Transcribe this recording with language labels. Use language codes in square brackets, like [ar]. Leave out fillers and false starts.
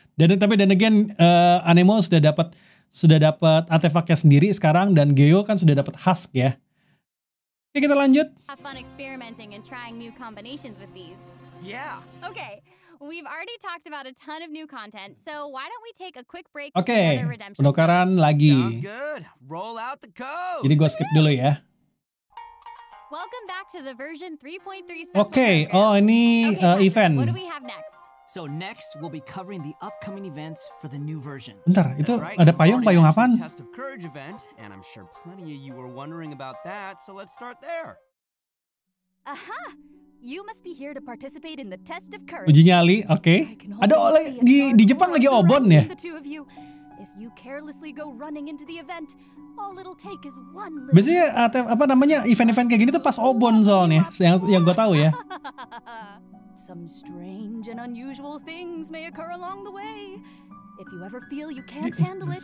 [id] Dan again Anemo sudah dapat artefaknya sendiri sekarang dan Geo kan sudah dapat husk ya. Oke, kita lanjut. [en] Have fun experimenting and trying new combinations with these. Yeah. Okay. We've already talked about a ton of new content, so why don't we take a quick break for another redemption? [id] Oke. Penukaran lagi. [en] Sounds good. Roll out the code. [id] Jadi gua skip dulu ya. [en] Welcome back to the version 3.3 special. Oke, okay. Event. What do we have next? So next we'll be covering the upcoming events for the new version. [id] Bentar, itu right, ada payung apaan? [en] Test of Courage event, and I'm sure plenty of you were wondering about that, so let's start there. Aha. You must be here to participate in the Test of Courage. [id] Uji nyali, okay. Ada di Jepang lagi obon ya. [en] If you carelessly go running into the event, all it'll take is one. [id] Biasanya event-event kayak gini tuh pas obon soalnya, yang gua tahu ya. [en] Some strange and unusual things may occur along the way. If you ever feel you can't handle it.